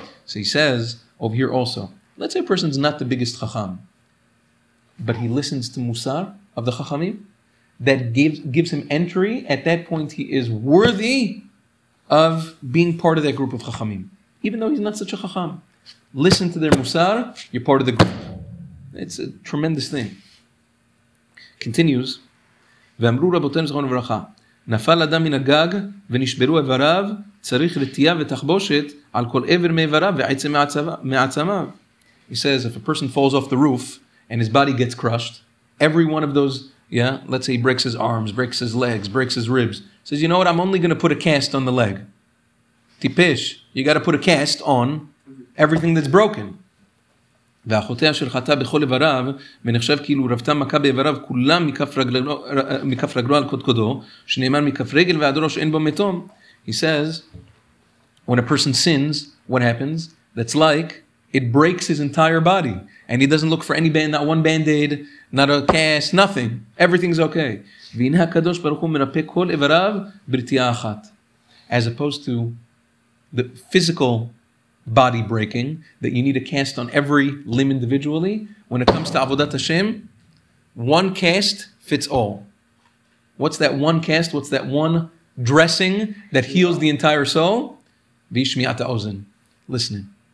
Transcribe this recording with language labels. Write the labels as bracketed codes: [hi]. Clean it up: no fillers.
[en] So he says over here also. Let's say a person's not the biggest chacham, but he listens to musar of the chachamim, that gives him entry. At that point, he is worthy of being part of that group of chachamim, even though he's not such a chacham. Listen to their musar; you're part of the group. It's a tremendous thing. Continues. [he] ואמרו רבותינו זכרונו לברכה, נפל אדם מן הגג ונשברו איבריו, צריך רטייה ותחבושת על כל עבר מאיבריו ועצם מעצמיו. [en] He says, if a person falls off the roof and his body gets crushed, every one of those, yeah, let's say he breaks his arms, breaks his legs, breaks his ribs, says, you know what, I'm only going to put a cast on the leg. [he] טיפש, [en] you got to put a cast on everything that's broken. [he] ואחותיה של חטא בכל איבריו, ונחשב כאילו רבתה מכה באיבריו כולם מכף רגלו על קודקודו, שנאמר מכף רגל ועד ראש אין בו מתום. [en] He says, when a person sins, what happens? That's like, it breaks his entire body. And he doesn't look for any band, not one band-aid, not a cast, nothing. Everything's okay. [he] והנה הקדוש ברוך הוא מרפא כל איבריו ברטייה אחת. [en] As opposed to the physical body breaking, that you need a cast on every limb individually. When it comes to Avodat Hashem, one cast fits all. What's that one cast? What's that one dressing that heals the entire soul? Vishmiata ozen. Listening.